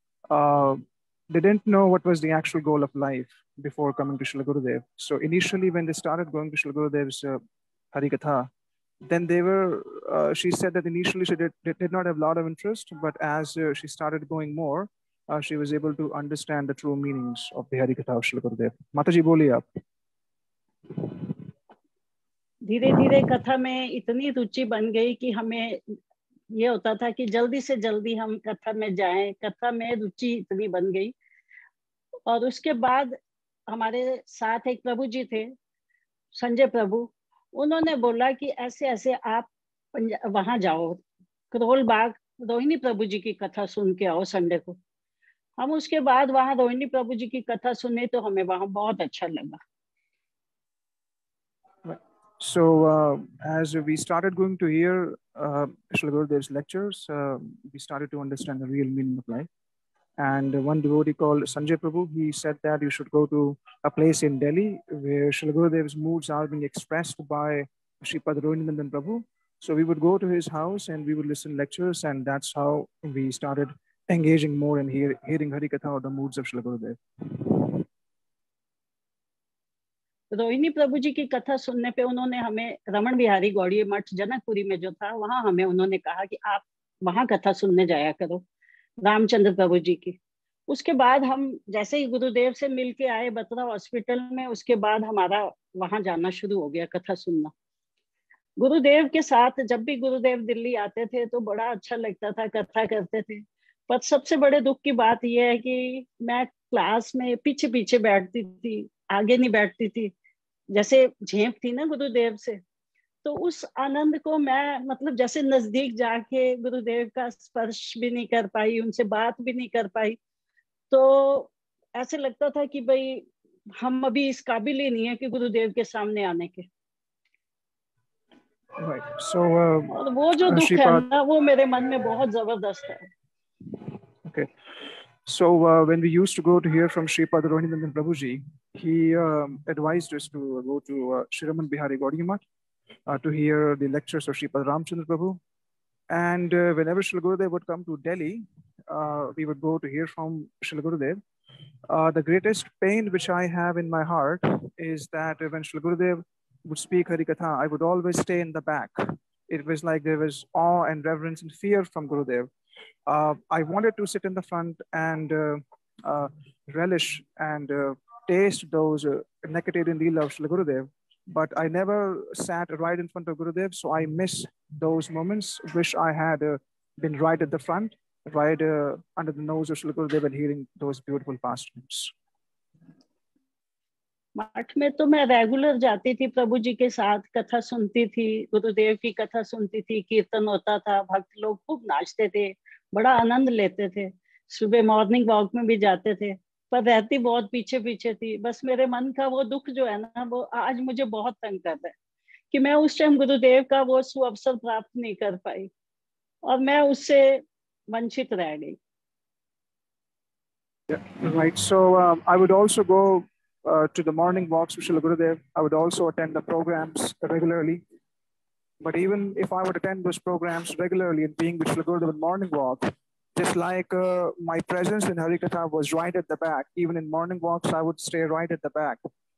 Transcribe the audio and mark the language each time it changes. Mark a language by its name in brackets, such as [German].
[English] They didn't know what was the actual goal of life before coming to Srila Gurudev. So initially when they started going to Srila Gurudev's Harikatha, then they were, she said that initially she did not have a lot of interest, but as she started going more, she was able to understand the true meanings of the Harikatha of Srila Gurudev. [Hindi] Mataji, boli aap. धीरे धीरे कथा में इतनी रुचि बन गई कि हमें ये होता था कि जल्दी से जल्दी हम कथा में जाएं, कथा में रुचि इतनी बन गई। और उसके बाद हमारे साथ एक प्रभु जी थे संजय प्रभु, उन्होंने बोला कि ऐसे ऐसे आप वहां जाओ करोल बाग रोहिणी प्रभु जी की कथा सुन के आओ संडे को। हम उसके बाद वहां रोहिणी प्रभु जी की कथा सुने तो हमें वहां बहुत अच्छा लगा। [English] So as we started going to hear Srila Gurudev's lectures, we started to understand the real meaning of life. And one devotee called Sanjay Prabhu, he said that you should go to a place in Delhi where Srila Gurudev's moods are being expressed by Shripad Rohinandan Prabhu. So we would go to his house and we would listen lectures, and that's how we started engaging more in hearing Harikatha or the moods of Srila Gurudev. [Hindi] Rohini प्रभु जी की कथा सुनने पे उन्होंने हमें रमण बिहारी गौड़ीय मठ जनकपुरी में जो था वहां हमें उन्होंने कहा कि आप वहां कथा सुनने जाया करो रामचंद्र प्रभु जी की। उसके बाद हम जैसे ही गुरुदेव से मिलके आए बत्रा हॉस्पिटल में, उसके बाद हमारा वहां जाना शुरू हो गया कथा सुनना गुरुदेव के साथ। जब भी गुरुदेव दिल्ली आते थे तो बड़ा अच्छा लगता था, कथा करते थे, पर सबसे बड़े दुख की बात यह है कि मैं क्लास में पीछे पीछे बैठती थी, आगे नहीं बैठती थी, जैसे झेप थी ना गुरुदेव से, तो उस आनंद को मैं मतलब जैसे नजदीक जाके गुरुदेव का स्पर्श भी नहीं कर पाई, उनसे बात भी नहीं कर पाई, तो ऐसे लगता था कि भाई हम अभी इस काबिल ही नहीं है कि गुरुदेव के सामने आने के। [English] right. So, [Hindi] और वो जो दुख है ना वो मेरे मन में बहुत जबरदस्त है। [English] okay. So when we used to go to hear from Shripad Rohinandan Prabhuji, he advised us to go to Shiraman Bihari Gaudiya Math to hear the lectures of Shripad Ramchandra Prabhu. And whenever Srila Gurudev would come to Delhi, we would go to hear from Srila Gurudev. The greatest pain which I have in my heart is that when Srila Gurudev would speak Harikatha, I would always stay in the back. It was like there was awe and reverence and fear from Gurudev. I wanted to sit in the front and relish and taste those nectar in the love of Gurudev, but I never sat right in front of Gurudev, so I miss those moments. Wish I had been right at the front, right under the nose of Shri Gurudev and hearing those beautiful pastimes. [Hindi] मठ में तो मैं regular जाती थी प्रभु जी के साथ कथा सुनती थी गुरुदेव की कथा सुनती थी कीर्तन होता था भक्त लोग खूब नाचते थे बड़ा आनंद लेते थे सुबह मॉर्निंग वॉक में भी जाते थे पर रहती बहुत पीछे पीछे थी बस मेरे मन का वो दुख जो है ना वो आज मुझे बहुत तंग कर रहा है कि मैं उस टाइम गुरुदेव का वो सुअवसर प्राप्त नहीं कर पाई और मैं उससे वंचित रह गई [English] Right so I would also go to the morning walks with Srila Gurudev. I would also attend the programs regularly. But even if I would attend those programs regularly and being with Srila Gurudev in morning walk, just like my presence in Harikatha was right at the back, even in morning walks, I would stay right at the back.